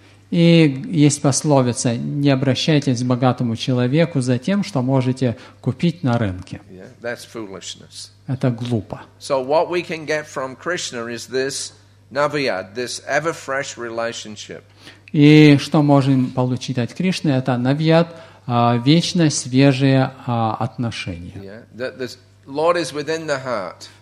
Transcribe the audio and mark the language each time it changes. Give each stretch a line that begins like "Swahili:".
Russian: И есть пословица: не обращайтесь к богатому человеку за тем, что можете купить на рынке.
English: Yeah,
Russian: это глупо.
English: So what we can get from Krishna is this navyad, this ever-fresh relationship.
Russian: И что можем получить от Кришны, это навьяд, вечно свежие отношения.
English: Yeah, the Lord is within the heart.